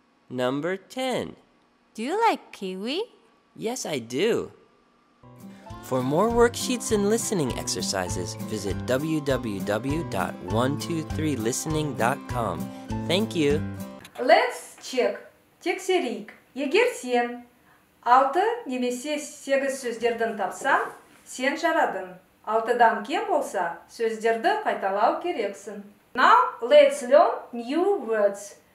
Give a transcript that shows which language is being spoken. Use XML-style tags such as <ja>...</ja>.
<en>Number 10. Do you like kiwi? Yes, I do. For more worksheets and listening exercises, visit www.123listening.com. Thank you. Let's check. Тексерейік.</en> <kk>Егер сен 6 немесе 8 сөздердің тапсаң, сен жарадың. 6-дан кем болса, сөздерді қайталау керексің.</kk> <en>Now, let's learn new words.</en>